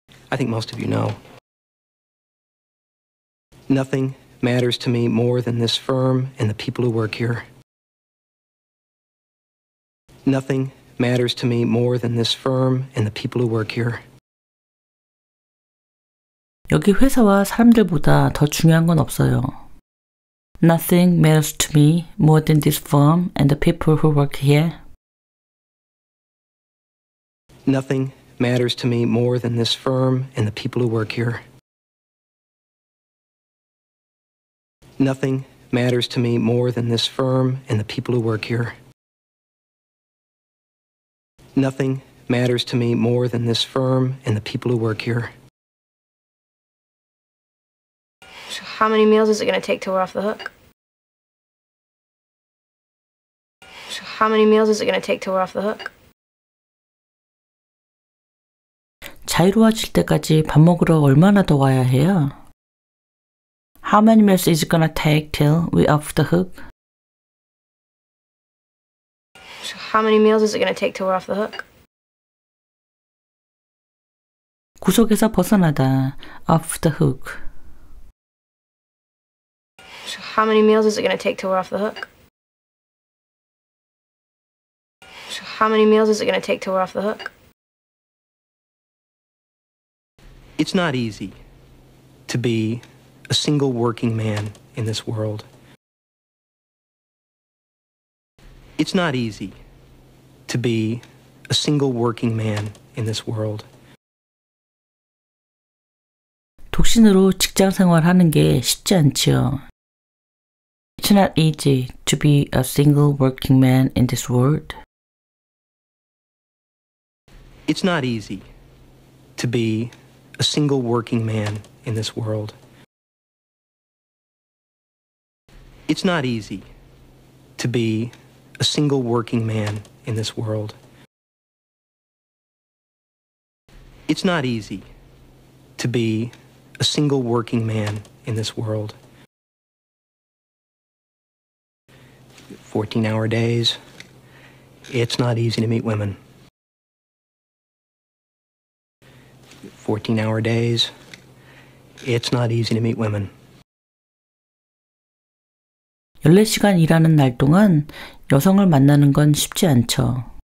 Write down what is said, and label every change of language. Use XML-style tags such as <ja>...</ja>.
<en>I think most of you know. Nothing matters to me more than this firm and the people who work here. Nothing matters to me more than this firm and the people who work here.</en> <ko>여기 회사와 사람들보다 더 중요한 건 없어요.</ko> <en>Nothing matters to me more than this firm and the people who work here. Nothing matters to me more than this firm and the people who work here. Nothing matters to me more than this firm and the people who work here. Nothing matters to me more than this firm and the people who work here. So how many meals is it going to take till we're off the hook? So how many meals is it going to take till we're off the hook?</en> <ko>자유로워질 때까지 밥 먹으러 얼마나 더 와야 해요?</ko> <en>How many meals is it gonna take till we're off the hook? So how many meals is it gonna take till we're off the hook?</en> <ko>구속에서 벗어나다,</ko> <en>off the hook. So how many meals is it gonna take till we're off the hook? So how many meals is it gonna take till we're off the hook? It's not easy to be a single working man in this world. It's not easy to be a single working man in this world.</en> <ko>독신으로 직장 생활 하는 게 쉽지 않죠.</ko> <en>It's not easy to be a single working man in this world. It's not easy to be a single working man in this world. It's not easy to be a single working man in this world. It's not easy to be a single working man in this world. 14-hour days. It's not easy to meet women. 14-hour days. It's not easy to meet women.</en> <ko>14시간 일하는 날 동안 여성을 만나는 건 쉽지 않죠.</ko>